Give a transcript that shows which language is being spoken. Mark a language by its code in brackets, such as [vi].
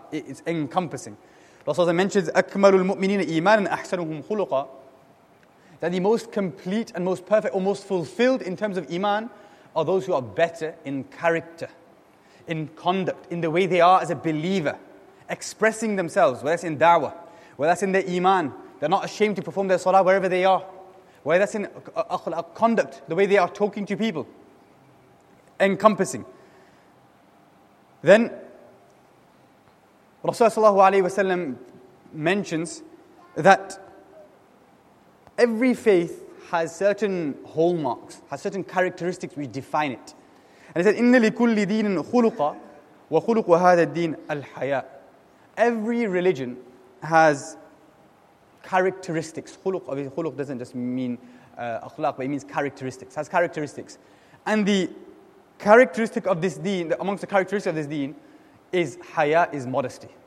[en] It's encompassing. Rasulullah mentions, [ar] أَكْمَلُ الْمُؤْمِنِينَ إِيمَانًا أَحْسَنُهُمْ خُلُقًا, [en] that the most complete and most perfect or most fulfilled in terms of iman are those who are better in character, in conduct, in the way they are as a believer, expressing themselves, whether that's in da'wah, whether that's in their iman, they're not ashamed to perform their salah wherever they are, whether that's in conduct, the way they are talking to people, encompassing. Then, Rasulullah ﷺ mentions that every faith has certain hallmarks, has certain characteristics which define it. And he said, [ar] إِنَّ لِكُلِّ دِينٍ خُلُقًا وَخُلُقُ هَذَا الدِّينَ الْحَيَاءِ. [en] Every religion has characteristics. خُلُق, obviously, خُلُق doesn't just mean akhlaq, but it means characteristics. Has characteristics. And the characteristic of this deen, amongst the characteristics of this deen, is haya, is modesty.